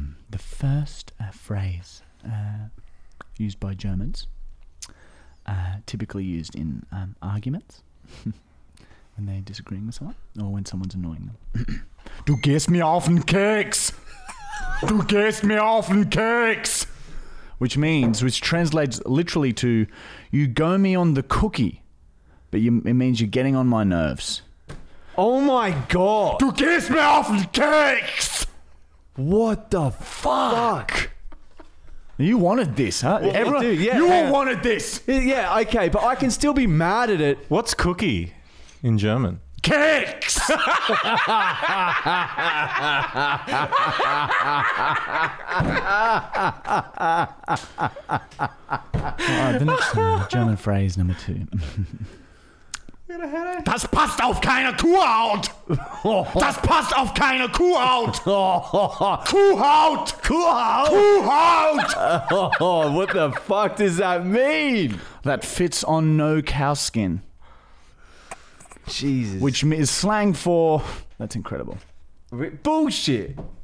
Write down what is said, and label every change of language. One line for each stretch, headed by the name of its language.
English: The first phrase. Used by Germans, typically used in arguments when they're disagreeing with someone or when someone's annoying them.
German: Du gehst mir auf den Keks! Du gehst mir auf den Keks!
English: Which translates literally to, you go me on the cookie, but it means you're getting on my nerves. Oh my God!
German: Du gehst mir auf den Keks!
English: What the fuck? You wanted this, huh? Well, everyone, dude, yeah, you all wanted this. Yeah, okay, but I can still be mad at it. What's cookie in German?
German: Keks!
English: Alright, the next one, German phrase number two.
German: Das passt auf keine Kuhhaut! Das passt auf keine Kuhhaut! Kuhhaut! Kuhhaut!
English: What the fuck does that mean? That fits on no cow skin. Jesus. Which is slang for... That's incredible. Bullshit!